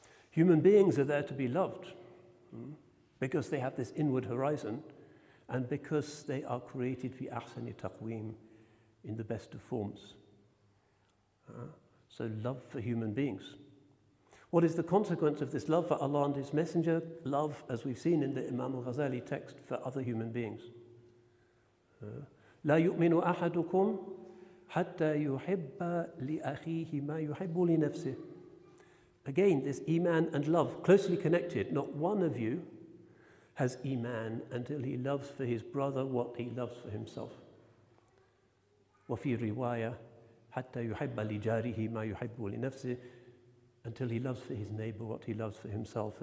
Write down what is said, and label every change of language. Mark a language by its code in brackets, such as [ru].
[en] Human beings are there to be loved because they have this inward horizon and because they are created fi ahsani taqweem, in the best of forms. So love for human beings. What is the consequence of this love for Allah and His Messenger? Love, as we've seen in the Imam al-Ghazali text, for other human beings. [ar] لا يؤمن أحدكم حتى يحب لأخيه ما يحب لنفسه. [en] Again, this iman and love closely connected. Not one of you has iman until he loves for his brother what he loves for himself. [ar] وَفِي رِوَايَةٍ حَتَّى يُحِبَّ لِجَارِهِ مَا يُحِبُّ لِنَفْسِهِ, [en] until he loves for his neighbor what he loves for himself.